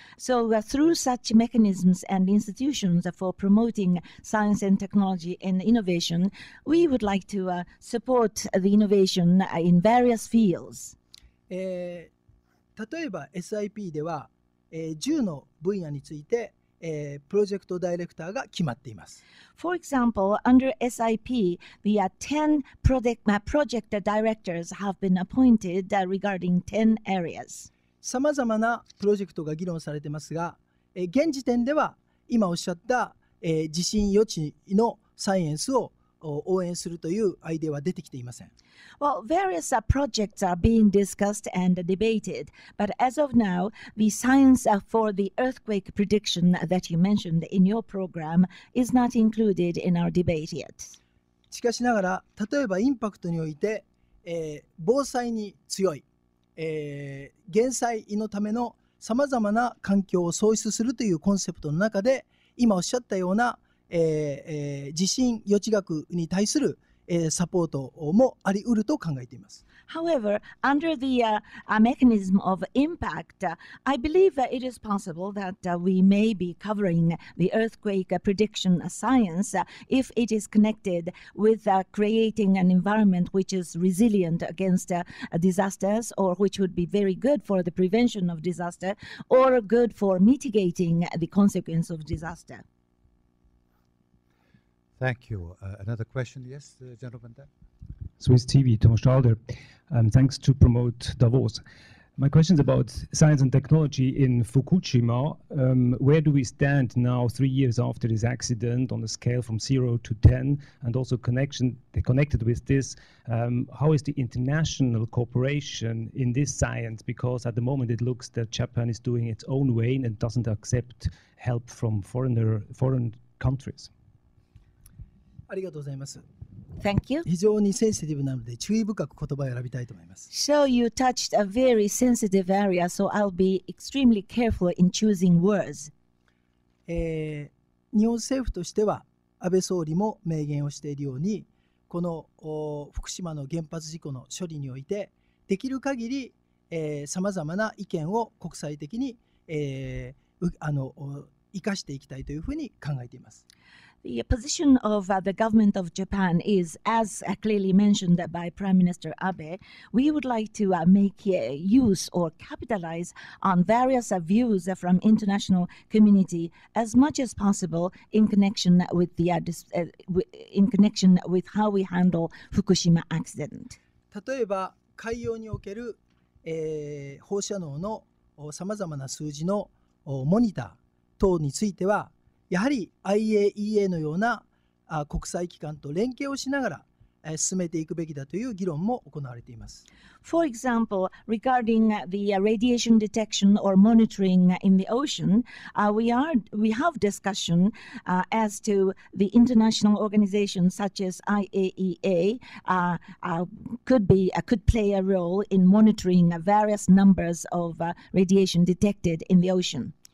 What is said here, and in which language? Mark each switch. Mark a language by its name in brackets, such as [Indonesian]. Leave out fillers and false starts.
[English] So through such mechanisms and institutions for promoting science and technology and innovation, we would like to support the innovation in various fields. [Japanese] 例えば SIP では、10の分野について、プロジェクトダイレクターが決まっています。 [English] For example, under SIP, the 10 project directors have been appointed regarding 10 areas. [Japanese] さまざまなプロジェクトが議論されていますが、現時点では今おっしゃった、地震予知のサイエンスを応援するというアイデアは出てきていません。 [English] Well, various projects are being discussed and debated, but as of now, the science for the earthquake prediction that you mentioned in your program is not included in our debate yet. [Japanese] しかしながら、例えばインパクトにおいて、防災に強い、減災のためのさまざまな環境を創出するというコンセプトの中で、今おっしゃったような地震予知学に対する、サポートもあり得ると考えています。 [English] However, under the mechanism of impact, I believe that it is possible that we may be covering the earthquake prediction science if it is connected with creating an environment which is resilient against disasters or which would be very good for the prevention of disaster or good for mitigating the consequence of disaster. Thank you. Another question, yes, the gentleman there. Swiss TV, Thomas Schalder. Thanks to promote Davos. My question is about science and technology in Fukushima. Where do we stand now, 3 years after this accident, on a scale from 0 to 10, and also connected with this, how is the international cooperation in this science? Because at the moment it looks that Japan is doing its own way and doesn't accept help from foreign countries. [Japanese] ありがとうございます。 [English] Thank you. [Japanese] 非常にセンシティブなので注意深く言葉を選びたいと思います。 [English] So you touched a very sensitive area, so I'll be extremely careful in choosing words. [Japanese] 日本政府としては、安倍総理も明言をしているように、この福島の原発事故の処理において、できる限り、さまざまな意見を国際的に、生かしていきたいというふうに考えています。 [English] The position of the government of Japan is, as clearly mentioned by Prime Minister Abe, we would like to make use or capitalize on various views from international community as much as possible in connection with how we handle Fukushima accident. [Japanese] 例えば海洋における、放射能のさまざまな数字のモニター等についてはやはり IAEA のような国際機関と連携をしながら進めていくべきだという議論も行われています。 [English] For example, regarding the radiation detection or monitoring in the ocean, we have discussion as to the international organization such as IAEA could play a role in monitoring various numbers of radiation detected in the ocean.